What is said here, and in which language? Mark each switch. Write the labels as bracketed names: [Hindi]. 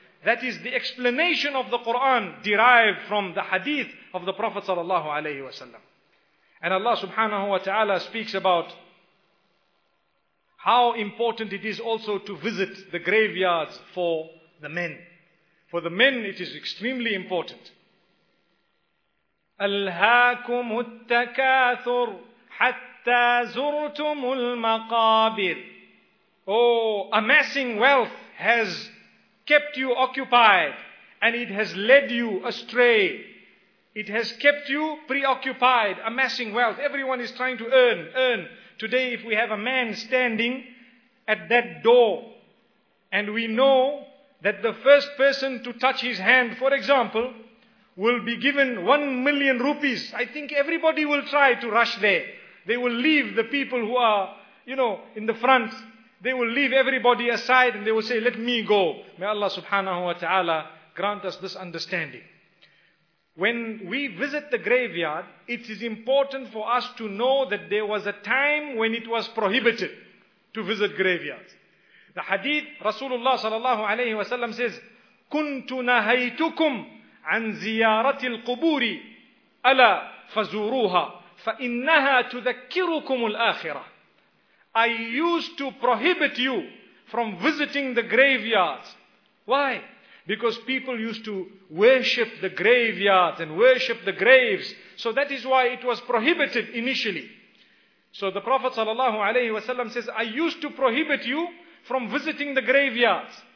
[English] That is the explanation of the Quran derived from the hadith of the Prophet sallallahu alayhi wa sallam. And Allah subhanahu wa ta'ala speaks about how important it is also to visit the graveyards for the men. For the men, it is extremely important. [Arabic] أَلْهَاكُمُ التَّكَاثُرُ حَتَّى زُرْتُمُ الْمَقَابِرُ. [English] Oh, amassing wealth has kept you occupied and it has led you astray. It has kept you preoccupied, amassing wealth. Everyone is trying to earn. Today, if we have a man standing at that door and we know that the first person to touch his hand, for example, will be given 1 million rupees. I think everybody will try to rush there. They will leave the people who are, you know, in the front. They will leave everybody aside and they will say, let me go. May Allah subhanahu wa ta'ala grant us this understanding. When we visit the graveyard, it is important for us to know that there was a time when it was prohibited to visit graveyards. The hadith, Rasulullah sallallahu alayhi wa sallam says, [Arabic] كُنْتُ نَهَيْتُكُمْ عَنْ زِيَارَةِ الْقُبُورِ أَلَا فَزُورُوهَا فَإِنَّهَا تُذَكِّرُكُمُ الْآخِرَةِ. [English] I used to prohibit you from visiting the graveyards. Why? Because people used to worship the graveyards and worship the graves. So that is why it was prohibited initially. So the Prophet sallallahu alayhi wa sallam says, I used to prohibit you from visiting the graveyards.